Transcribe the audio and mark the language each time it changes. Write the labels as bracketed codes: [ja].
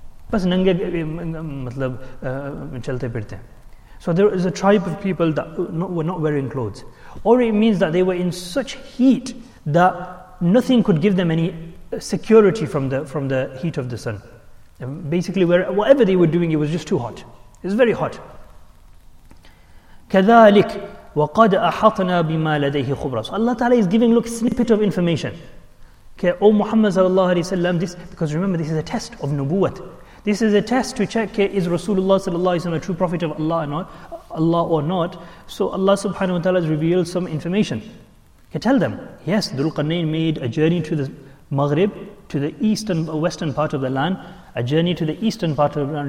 [ur] بس ننگے مطلب چلتے پھرتے. [en] So there is a tribe of people that were not wearing clothes. Or it means that they were in such heat that nothing could give them any security from the heat of the sun. And basically, whatever they were doing, it was just too hot. It's very hot. [ar] كذلك وقد أحطنا بما لديه خبرة. [en] So Allah Ta'ala is giving, look, snippet of information. Okay, O Muhammad sallallahu alayhi wa sallam, because remember, this is a test of nubuwwat. This is a test to check, okay, is Rasulullah sallallahu alayhi wa sallam a true prophet of Allah or not? So Allah subhanahu wa ta'ala has revealed some information. Okay, tell them, yes, Dhul-Qarnayn made a journey to the Maghrib, to the eastern, western part of the land, a journey to the eastern part of the land.